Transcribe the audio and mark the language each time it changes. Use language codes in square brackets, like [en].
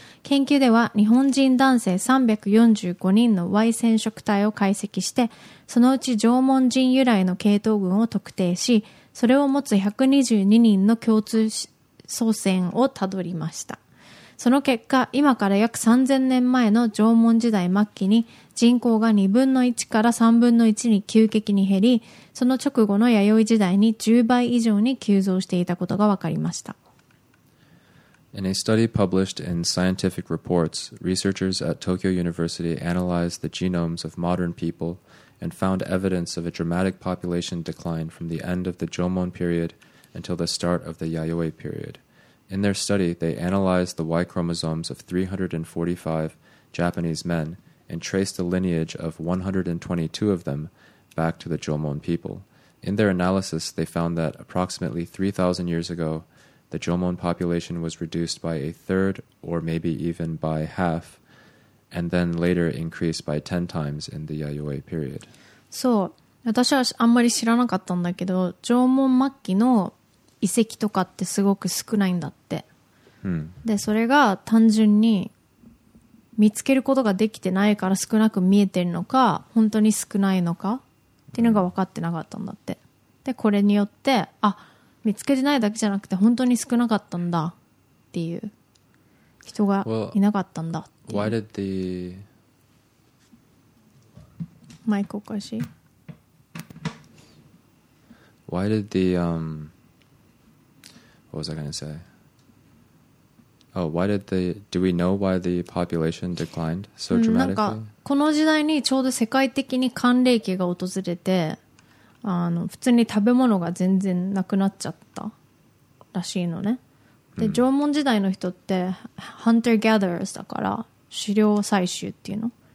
[ja] 研究では、日本人男性345人の Y 染色体を解析して、そのうち縄文人由来の系統群を特定し、それを持つ122人の共通祖先をたどりました。その結果、今から約3000年前の縄文時代末期に人口が2分の1から3分の1に急激に減り、その直後の弥生時代に10倍以上に急増していたことが分かりました。 [en] In a study published in Scientific Reports, researchers at Tokyo University analyzed the genomes of modern people and found evidence of a dramatic population decline from the end of the Jomon period until the start of the Yayoi period. In their study, they analyzed the Y chromosomes of 345 Japanese men and traced the lineage of 122 of them back to the Jomon people. In their analysis, they found that approximately 3,000 years ago, the Jomon population was reduced by a third or maybe even by half, and then later increased by 10 times in the Yayoi period. So, [ja] 私はあんまり知らなかったんだけど、縄文末期の遺跡とかってすごく少ないんだって、うん、でそれが単純に見つけることができてないから少なく見えてるのか本当に少ないのかっていうのが分かってなかったんだって、うん、でこれによってあ見つけてないだけじゃなくて本当に少なかったんだっていう人がいなかったんだっていう [en] Well, why did the... [ja] マイクおかしい [en] Why did the... What was I going to say? Oh, why did the... Do we know why the population declined so dramatically? [ja] なんかこの時代にちょうど世界的に寒冷期が訪れて、普通に食べ物が全然なくなっちゃったらしいのね。で、縄文時代の人って [en] hunter gatherers [ja] だから、狩猟採集っていうの。